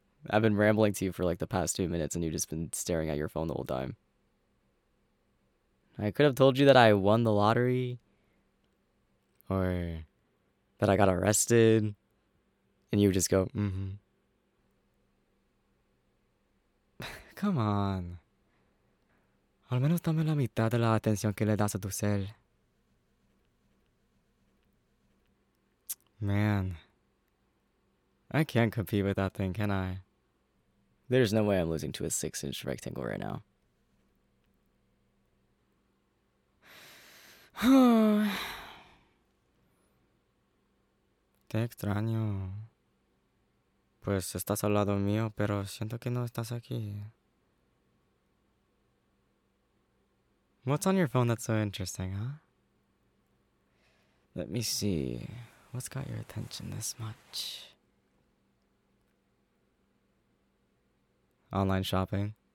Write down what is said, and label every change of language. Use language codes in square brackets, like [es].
[en] I've been rambling to you for like the past 2 minutes and you've just been staring at your phone the whole time. I could have told you that I won the lottery, or that I got arrested, and you would just go, Come on. [es] Al menos dame la mitad de la atención que le das a tu ser. [en] Man. I can't compete with that thing, can I? There's no way I'm losing to a 6-inch rectangle right now. [es] Te extraño. Pues estás al lado mío, pero siento que no estás aquí. [en] What's on your phone that's so interesting, huh? Let me see. What's got your attention this much? Online shopping?